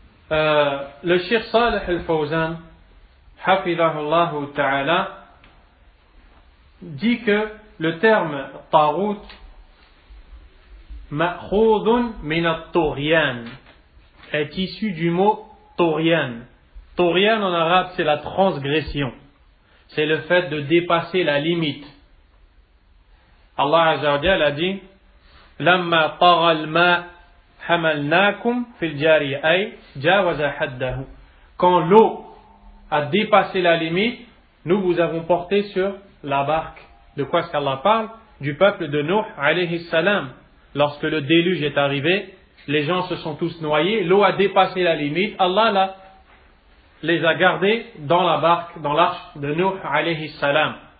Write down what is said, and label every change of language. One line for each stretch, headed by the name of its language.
French: Le Cheikh Salih al-Fawzan, hafidhahullah ta'ala, dit que le terme tarout
Arabic: ma'khoudun min at-turyan
French: est issu du mot turyan. Turyan en arabe, c'est la transgression. C'est le fait de dépasser la limite. Allah Azza wa Jalla a dit
Arabic: لما طغى الماء حملناكم في الجارية أي جاوز حده.
French: Quand l'eau a dépassé la limite, nous vous avons porté sur la barque. De quoi est-ce qu'Allah parle? Du peuple de Nuh alayhi salam. Lorsque le déluge est arrivé, les gens se sont tous noyés, l'eau a dépassé la limite, Allah là les a gardés dans la barque, dans l'arche de Nuh alayhi salam.